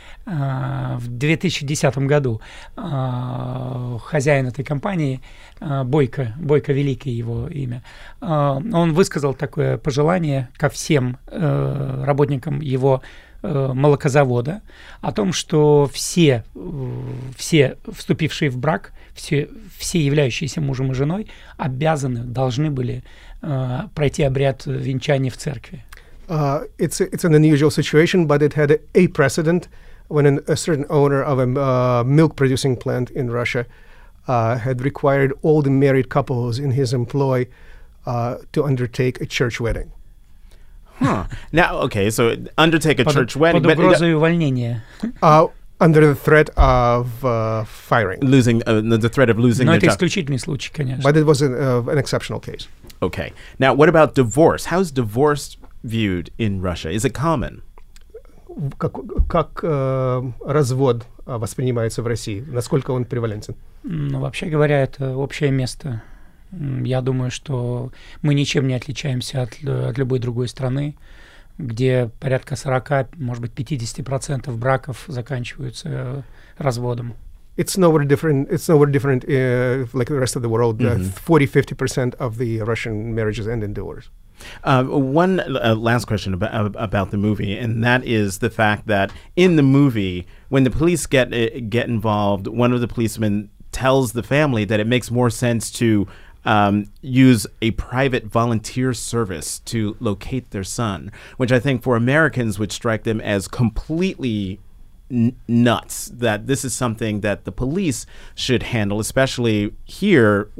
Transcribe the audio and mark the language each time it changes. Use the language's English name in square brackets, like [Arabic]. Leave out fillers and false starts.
[Russian] В 2010 году хозяин этой компании, Бойко Великий его имя, он высказал такое пожелание ко всем работникам его молокозавода о том, что все вступившие в брак, все являющиеся мужем и женой, должны были пройти обряд венчания в церкви. [English] It's an unusual situation, but it had a precedent when a certain owner of a milk-producing plant in Russia had required all the married couples in his employ to undertake a church wedding. Huh. Now, okay, so undertake a church wedding. [Russian] Под угрозой увольнения. [English] Under the threat of firing. Losing, the threat of losing [Russian] Но [English] the job. [Russian] Но это исключительный случай, конечно. [English] But it was an exceptional case. Okay. Now, what about divorce? How is divorce viewed in Russia? Is it common? [Russian] Как развод воспринимается в России? Насколько он превалентен? Ну, вообще говоря, это общее место. Я думаю, что мы ничем не отличаемся от любой другой страны, где порядка 40, может быть, 50% браков заканчиваются разводом. [English] It's nowhere different like the rest of the world. Mm-hmm. 40-50% of the Russian marriages end in divorce. One last question about the movie, and that is the fact that in the movie, when the police get involved, one of the policemen tells the family that it makes more sense to use a private volunteer service to locate their son, which I think for Americans would strike them as completely nuts, that this is something that the police should handle, especially here.